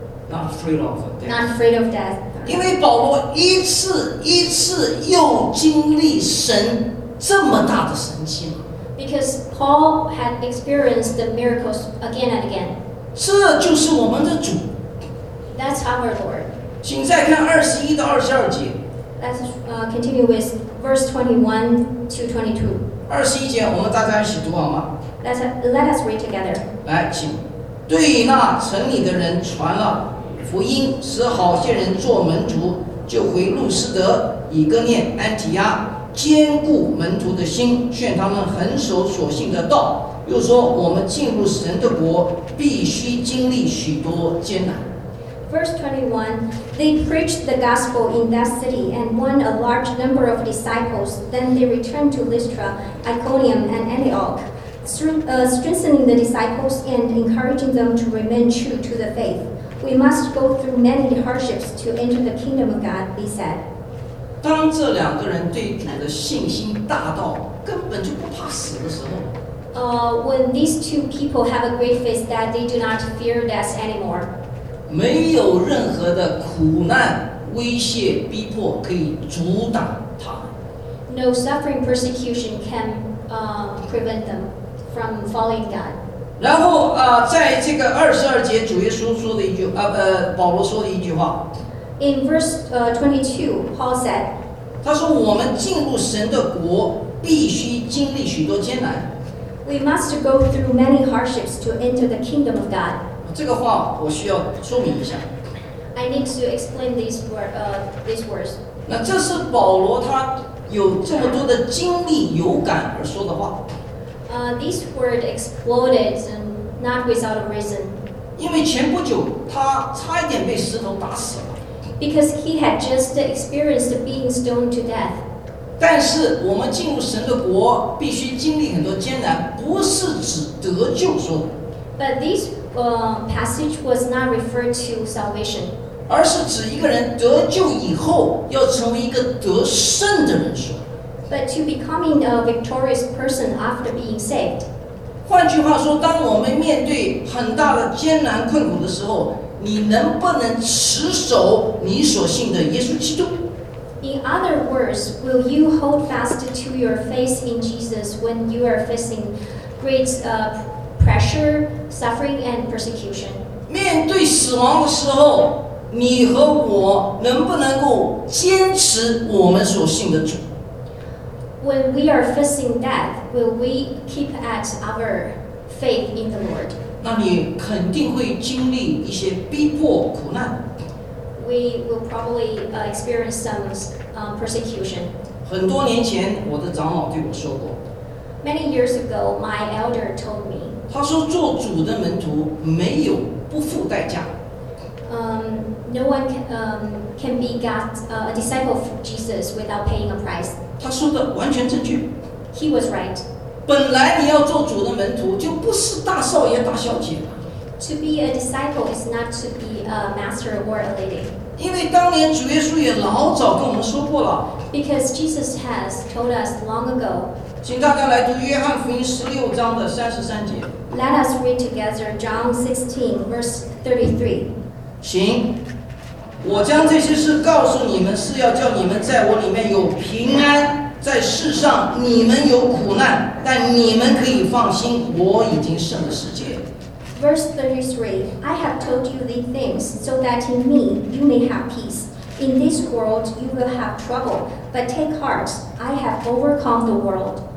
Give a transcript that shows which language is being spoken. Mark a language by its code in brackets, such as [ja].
[en] Not afraid of death. [zh] 因为保罗一次一次又经历神这么大的神迹嘛。 [en] Because Paul had experienced the miracles again and again. [zh] 这就是我们的主。 [en] That's our Lord. [zh] 请再看二十一到二十二节。 [en] Let's continue with verse 21 to 22. [zh] 二十一节，我们大家一起读好吗？ [en] Let us read together. [zh] 来，请。对那城里的人传了福音，使好些人做门徒，就回路斯德、以哥念、安提亚，坚固门徒的心，劝他们恒守所信的道。又说，我们进入神的国，必须经历许多艰难。 [en] Verse 21, they preached the gospel in that city and won a large number of disciples. Then they returned to Lystra, Iconium, and Antioch. Strengthening the disciples and encouraging them to remain true to the faith. We must go through many hardships to enter the kingdom of God, they said. [zh] 当这两个人对主的信心大到根本就不怕死的时候， [en] When these two people have a great faith that they do not fear death anymore, 没有任何的苦难、威胁、逼迫可以阻挡他。 No suffering, persecution can prevent them. From following God. [zh] 然后在这个二十二节，主耶稣说的一句，保罗说的一句话。 [en] In verse 22, Paul said. [zh] 他说：“我们进入神的国，必须经历许多艰难。” [en] We must go through many hardships to enter the kingdom of God. [zh] 这个话我需要说明一下。 [en] I need to explain these words. [zh] 那这是保罗他有这么多的经历、有感而说的话。 [en] This word exploded and not without a reason. [zh] 因为前不久他差一点被石头打死了。 [en] Because he had just experienced being stoned to death. [zh] 但是我们进入神的国必须经历很多艰难，不是指得救说。 [en] But this passage was not referred to salvation. [zh] 而是指一个人得救以后要成为一个得胜的人说。 [en] But to becoming a victorious person after being saved. [zh] 换句话说，当我们面对很大的艰难困苦的时候，你能不能持守你所信的耶稣基督？ [en] In other words, will you hold fast to your faith in Jesus when you are facing great pressure, suffering, and persecution? [zh] 面对死亡的时候，你和我能不能够坚持我们所信的主？ [en] When we are facing death, will we keep at our faith in the Lord? [zh] 那你肯定会经历一些逼迫苦难。 [en] We will probably experience some persecution. [zh] 很多年前，我的长老对我说过。 [en] Many years ago, my elder told me. [zh] 他说做主的门徒没有不付代价。 [en] No one can be God, a disciple of Jesus without paying a price. [zh] 他说的完全正确。 [en] He was right. [zh] 本来你要做主的门徒，就不是大少爷大小姐。 [en] To be a disciple is not to be a master or a lady. [zh] 因为当年主耶稣也老早跟我们说过了。 [en] Because Jesus has told us long ago. [zh] 请大家来读约翰福音十六章的三十三节。 [en] Let us read together John 16 verse 33. [zh] 行，我将这些事告诉你们，是要叫你们在我里面有平安。在世上你们有苦难，但你们可以放心，我已经胜了世界。 [en] Verse 33, I have told you these things so that in me you may have peace. In this world you will have trouble, but take heart, I have overcome the world.